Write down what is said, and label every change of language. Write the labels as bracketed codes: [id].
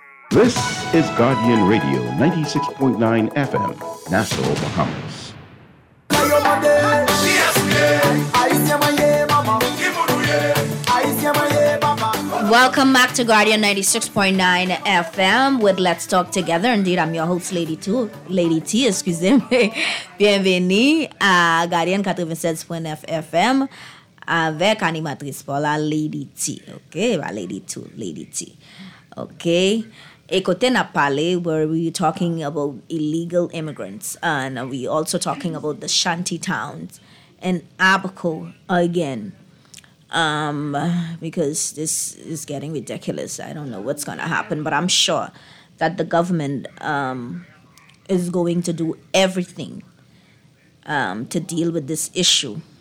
[en] This is Guardian Radio, 96.9 FM, Nassau, Bahamas. Welcome back to Guardian 96.9 FM with Let's Talk Together. Indeed, I'm your host, Lady T, excuse me. [fr] Bienvenue à Guardian 96.9 FM avec animatrice Paula, Lady T. [en] Ok, Lady 2, Lady T. Ok, [fr] écoutez na parler, [en] where we're talking about illegal immigrants and we also talking about the shanty towns in Abaco again. Because this is getting ridiculous. I don't know what's going to happen, but I'm sure that the government is going to do everything to deal with this issue.